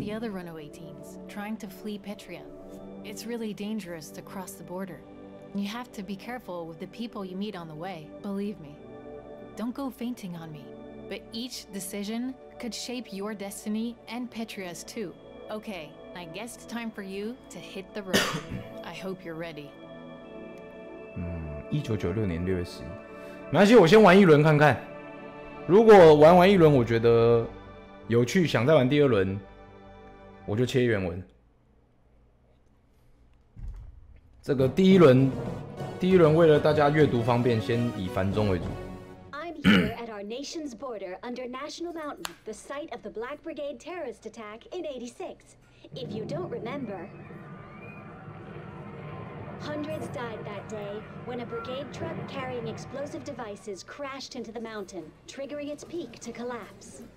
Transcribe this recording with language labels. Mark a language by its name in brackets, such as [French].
[English] Like the other runaway teens trying to flee Petria. It's really dangerous to cross the border. You have to be careful with the people you meet on the way. Believe me. Don't go fainting on me. But each decision could shape your destiny and Petria's too. Okay, I guess it's time for you to hit the road. I hope you're ready. [Chinese] 1996年6月11日，没关系，我先玩一轮看看。如果玩完一轮我觉得有趣，想再玩第二轮，我就切原文。这个第一轮为了大家阅读方便，先以繁中为主。 [English] I'm here at our nation's border under National Mountain, the site of the Black Brigade terrorist attack in '86. If you don't remember. Hundreds died that day when a brigade truck carrying explosive devices crashed into the mountain, triggering its peak to collapse.